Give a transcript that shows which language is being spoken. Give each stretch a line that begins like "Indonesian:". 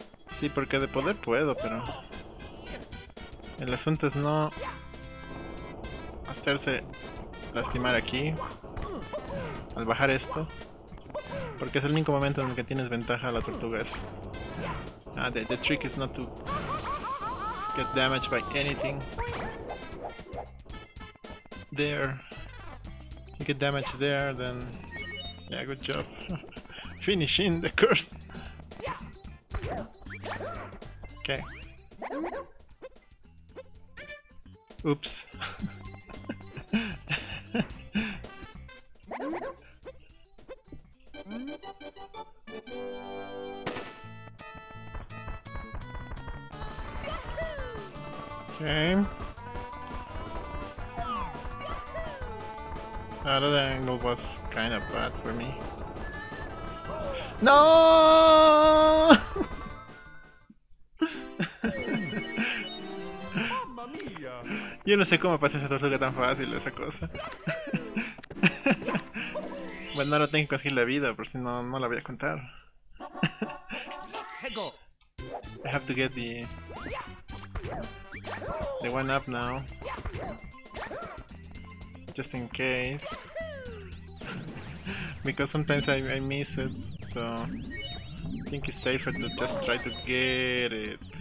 Spanish: Sí, porque de poder puedo, pero el asunto es no hacerse lastimar aquí al bajar esto, porque es el único momento en el que tienes ventaja a la tortuga esa.
English: The trick is not to get damaged by anything there. You get damaged there, then yeah, good job finishing the course. Okay. Oops. Okay. Ah, that angle was kind of bad for me. No.
Spanish: Yo no sé cómo pasa esa tortuga tan fácil, esa cosa. Bueno, ahora tengo que conseguir la vida, por si no, no la voy a contar.
English: I have to get the one up now. Just in case. Because sometimes I miss it, so I think it's safer to just try to get it.